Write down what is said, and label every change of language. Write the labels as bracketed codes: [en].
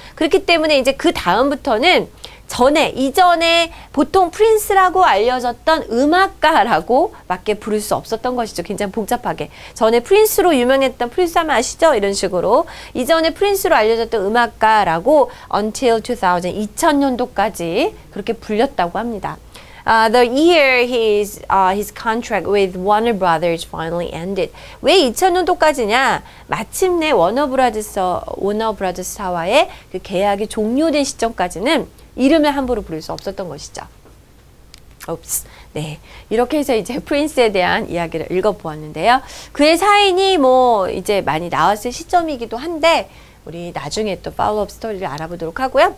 [ko] 그렇기 때문에 이제 그 다음부터는 전에, 이전에 보통 프린스라고 알려졌던 음악가라고 밖에 부를 수 없었던 것이죠. 굉장히 복잡하게. 전에 프린스로 유명했던 프린스 하면 아시죠? 이런 식으로. 이전에 프린스로 알려졌던 음악가라고 [en] until 2000, [ko] 2000년도까지 그렇게 불렸다고 합니다. [en] The year his contract with Warner Brothers finally ended. [ko] 왜 2000년도까지냐? 마침내 워너 브라더스와의 그 계약이 종료된 시점까지는 이름을 함부로 부를 수 없었던 것이죠. 옵스. 네. 이렇게 해서 이제 프린스에 대한 이야기를 읽어보았는데요. 그의 사인이 뭐 이제 많이 나왔을 시점이기도 한데 우리 나중에 또 팔로우업 스토리를 알아보도록 하고요.